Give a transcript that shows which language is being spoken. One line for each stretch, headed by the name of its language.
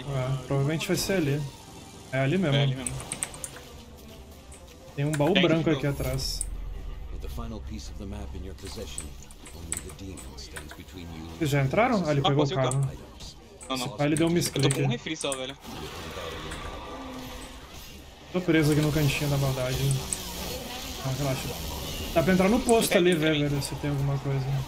Portuguese: É, provavelmente vai ser ali. É ali mesmo. É ali mesmo. Tem um baú branco aqui atrás.
English: Final piece of the map in your possession. Only the demon stands between you.
Portuguese: Eles já entraram? Ah, ele pegou o carro. Não, não. Pai, ele deu um misclick. Eu tô com um refri só, velho. Tô preso aqui no cantinho da maldade. Ah, relaxa. Dá pra entrar no posto ali, velho, se tem alguma coisa.